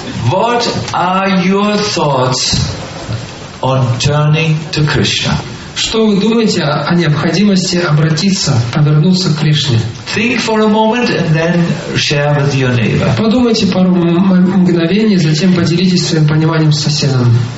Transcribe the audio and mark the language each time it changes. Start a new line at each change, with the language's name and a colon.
English: What are your thoughts on turning to Krishna?
Russian: Что вы думаете о необходимости обратиться, повернуться к Кришне?
English: Think for a moment and then share with your neighbor.
Russian: Подумайте пару мгновений, затем поделитесь своим пониманием с соседом.